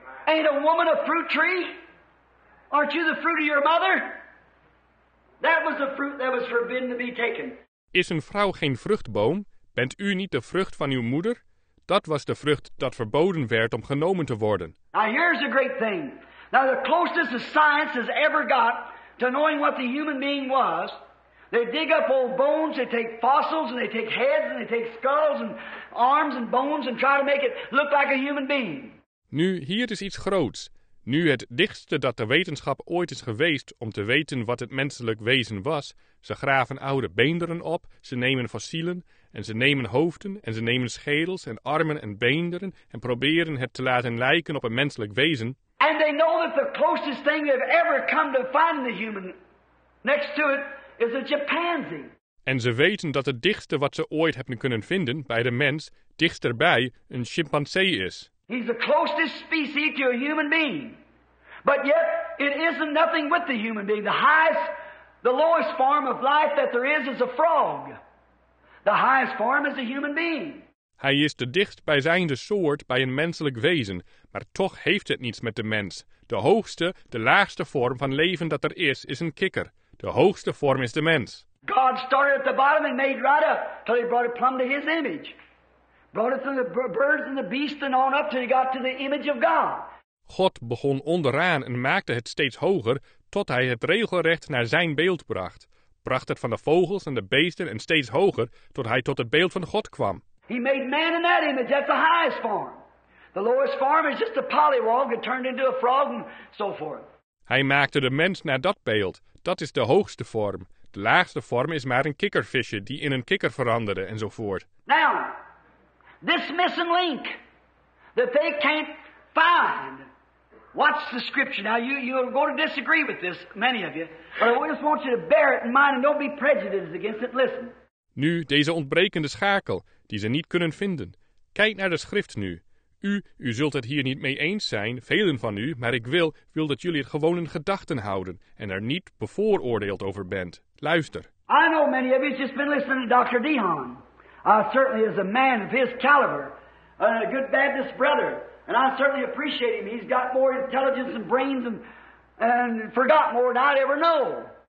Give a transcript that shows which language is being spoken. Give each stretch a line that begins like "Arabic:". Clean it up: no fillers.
English: Ain't a woman a fruit tree? Aren't you the fruit of your mother? That was the fruit that was forbidden to be taken.
Dutch: Is een vrouw geen vruchtboom? Bent u niet de vrucht van uw moeder? Dat was de vrucht dat verboden werd om genomen te worden.
English: Now here's a great thing. Now the closest the science has ever got to knowing what the human being was, they dig up old bones, they take fossils, and they take heads, and they take skulls, and arms and bones, and try to make it look like a human being.
Dutch: Nu, hier is iets groots. Nu het dichtste dat de wetenschap ooit is geweest om te weten wat het menselijk wezen was, ze graven oude beenderen op, ze nemen fossielen, en ze nemen hoofden, en ze nemen schedels en armen en beenderen en proberen het te laten lijken op een menselijk wezen.
English: And they know that the closest thing they've ever come to find the human next to it is a chimpanzee.
Dutch: En ze weten dat het dichtste wat ze ooit hebben kunnen vinden bij de mens, dichterbij, een chimpansee is.
English: He's the closest species to a human being. But yet, it isn't nothing with the human being. The highest, the lowest form of life that there is a frog. The highest form is a human being.
Dutch: Hij is de dichtstbijzijnde soort bij een menselijk wezen, maar toch heeft het niets met de mens. De hoogste, de laagste vorm van leven dat er is een kikker. De hoogste vorm is de mens.
English: God started at the bottom and made right up till he brought it plumb to his image. Brought it from the birds and the beasts and on up till he got to the image of God.
Dutch: God begon onderaan en maakte het steeds hoger tot hij het regelrecht naar zijn beeld bracht. Bracht het van de vogels en de beesten en steeds hoger tot hij tot het beeld van God kwam.
English: He made man in that image, that's the highest form. The lowest form is just a polywog that turned into a frog and so forth.
Dutch: Hij maakte de mens naar dat beeld, dat is de hoogste vorm. De laagste vorm is maar een kikkervisje die in een kikker veranderde enzovoort.
English: Now, this missing link that they can't find. Watch the scripture. Now, you're going to disagree with this, many of you. But I just want you to bear it in mind and don't be prejudiced against it. Listen.
Dutch: Nu, deze ontbrekende schakel, die ze niet kunnen vinden. Kijk naar de schrift nu. U zult het hier niet mee eens zijn, velen van u, maar ik wil dat jullie het gewoon in gedachten houden en er niet bevooroordeeld over bent. Luister.
English: I know many of you have just been listening to Dr. Dehan. I certainly is a man of his caliber, a good Baptist brother, and I certainly appreciate him. He's got more intelligence and brains and forgot more than I'd ever know.